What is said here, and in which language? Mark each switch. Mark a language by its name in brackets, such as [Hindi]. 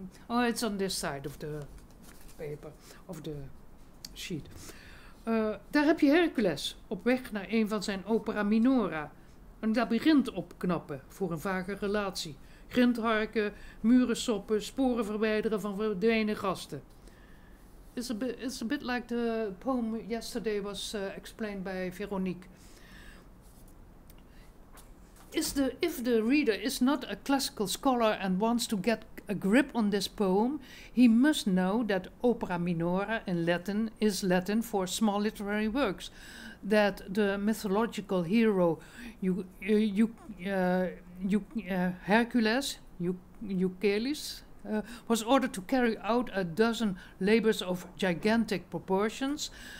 [English] Oh, it's on this side of the paper, of the sheet. [Dutch] Daar heb je Hercules op weg naar een van zijn opera minora. Een labyrinth opknappen voor een vage relatie. Grindharken, muren soppen, sporen verwijderen van verdwenen gasten. [English] It's a bit like the poem yesterday was explained by Veronique. If the reader is not a classical scholar and wants to get a grip on this poem, he must know that opera minora in Latin is Latin for small literary works, that the mythological hero Hercules, was ordered to carry out a dozen labors of gigantic proportions,